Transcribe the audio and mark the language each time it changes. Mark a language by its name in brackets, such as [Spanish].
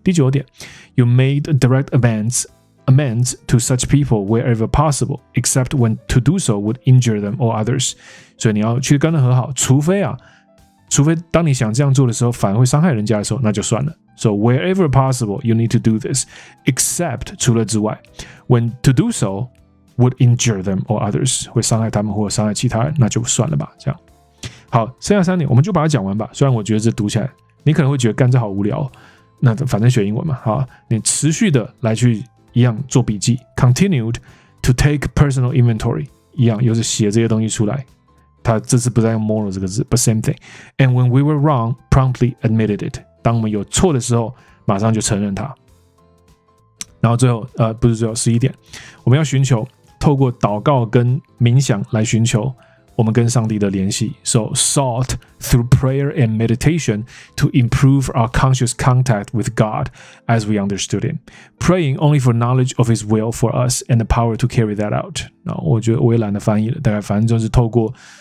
[Chinese] 第九点 [English] ，You made direct amends to such people wherever possible, except when to do so would injure them or others。 [Chinese] 所以你要去跟他和好，除非啊。除非当你想这样做的时候反而会伤害人家的时候，那就算了。 [English] So wherever possible you need to do this, except [Chinese] 除了之外， [English] when to do so would injure them or others， [Chinese] 会伤害他们或伤害其他人，那就算了吧。这样好，剩下三点我们就把它讲完吧。虽然我觉得这读起来你可能会觉得干这好无聊，那反正学英文嘛。好，你持续的来去一样做笔记， [English] continued to take personal inventory， [Chinese] 一样又是写这些东西出来，他这次不再用 moral 这个字， [English] but same thing. And when we were wrong, promptly admitted it. [Chinese] 当我们有错的时候，马上就承认它。然后最后，不是最后，11点，我们要寻求透过祷告跟冥想来寻求我们跟上帝的联系。 [English] So sought through prayer and meditation to improve our conscious contact with God as we understood Him. Praying only for knowledge of His will for us and the power to carry that out. [Chinese] 那我觉得我也懒得翻译了，大概反正就是透过。